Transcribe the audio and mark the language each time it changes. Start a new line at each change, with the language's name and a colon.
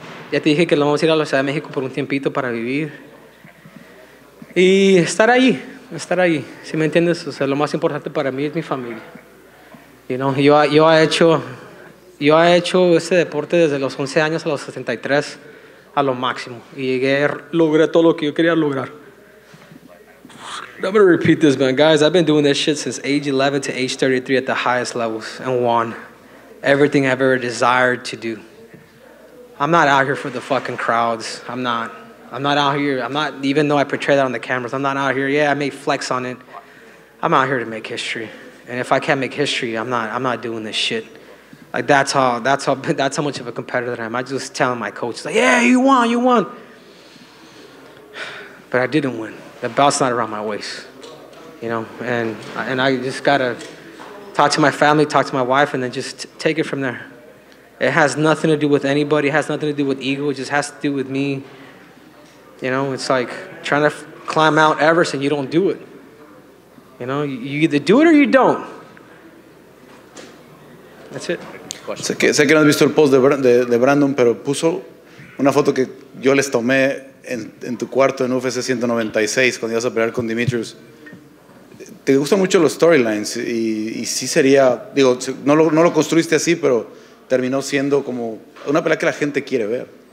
Spanish: Ya te dije que lo vamos a ir a la Ciudad de México por un tiempito para vivir. Y estar ahí. Si me entiendes, o sea, lo más importante para mí es mi familia. You know, yo he hecho este deporte desde los 11 años a los 73 a lo máximo. Y logré todo lo que yo quería lograr.
English: I'm going to repeat this, man. Guys, I've been doing this shit since age 11 to age 33 at the highest levels and won everything I've ever desired to do. I'm not out here for the fucking crowds. I'm not out here. I'm not, even though I portray that on the cameras, I'm not out here. Yeah, I may flex on it. I'm out here to make history. And if I can't make history, I'm not doing this shit. Like that's how much of a competitor I am. I just telling my coach, like, yeah, you won. But I didn't win. The belt's not around my waist. You know, and I just gotta talk to my family, talk to my wife, and then just take it from there. It has nothing to do with anybody. It has nothing to do with ego. It just has to do with me. You know, it's like trying to climb Mount Everest and you don't do it. You know, you either do it or you don't. That's it.
Spanish: Sé que no has visto el post de Brandon, pero puso una foto que yo les tomé en tu cuarto en UFC 196 cuando ibas a pelear con Demetrius. Te gustan mucho los storylines y sí sería, digo, no lo construiste así, pero terminó siendo como una pelea que la gente quiere ver.